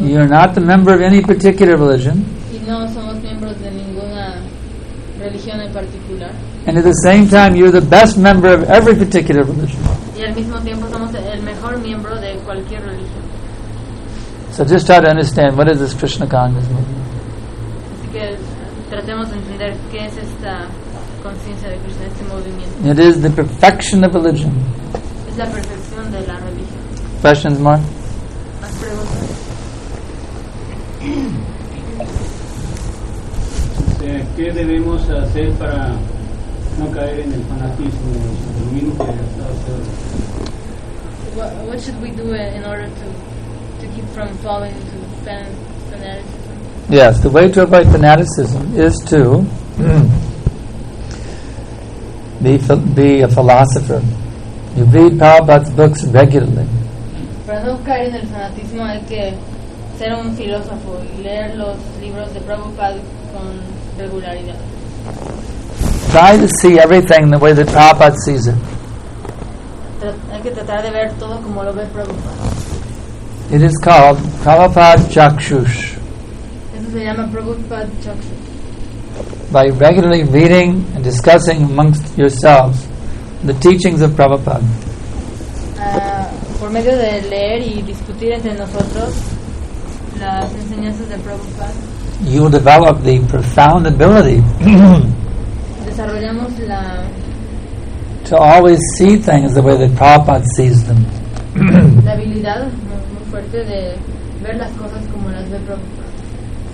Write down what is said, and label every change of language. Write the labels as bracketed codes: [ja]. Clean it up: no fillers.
[en] You're not the member of any particular religion. [es] Y no somos miembros de ninguna religión en particular. [en] And at the same time, you're the best member of every particular religion. [es] Y al mismo tiempo somos el mejor miembro de cualquier religión. [en] So just try to understand what is this Krishna consciousness movement. [es] Así que tratemos de entender qué es esta conciencia de Krishna, este movimiento. [en] It is the perfection of religion. [es] Es la perfección de la religión. [en] Questions, Mark? [es] Más preguntas. ¿Qué debemos hacer para no caer en el fanatismo de los iluminados que ha estado haciendo? [en] What should we do in order to keep from falling into fanaticism? Yes, the way to avoid fanaticism is to be a philosopher. You read Prabhupada's books regularly. [es] Para no caer en el fanatismo hay que ser un filósofo y leer los libros de Prabhupada con regularidad. [en] Try to see everything the way that Prabhupada sees it. [es] Hay que tratar de ver todo como lo ve Prabhupada. [en] It is called Prabhupada Chakshush. [es] Eso se llama Prabhupada Chakshush. [en] By regularly reading and discussing amongst yourselves the teachings of Prabhupada. [es] Por medio de leer y discutir entre nosotros las enseñanzas de Prabhupada. [en] You will develop the profound ability [es] desarrollamos la [en] to always see things the way that Prabhupada sees them. [es] La habilidad muy fuerte de ver las cosas como las ve Prabhupada.